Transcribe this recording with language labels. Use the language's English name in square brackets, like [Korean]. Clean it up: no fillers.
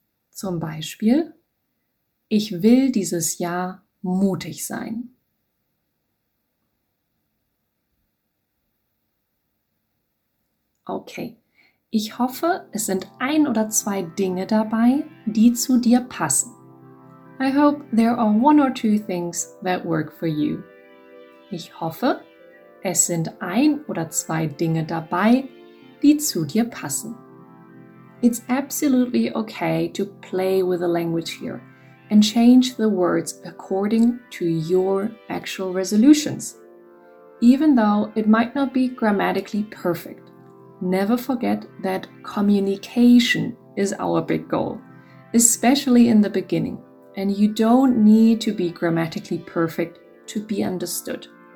[German] Zum Beispiel, ich will dieses Jahr mutig sein. Okay, ich hoffe, es sind ein oder zwei Dinge dabei, die zu dir passen. [English] I hope there are one or two things that work for you. [German] Ich hoffe, es sind ein oder zwei Dinge dabei, die zu dir passen. [English] It's absolutely okay to play with the language here and change the words according to your actual resolutions. Even though it might not be grammatically perfect. Never forget that communication is our big goal, especially in the beginning, and you don't need to be grammatically perfect to be understood.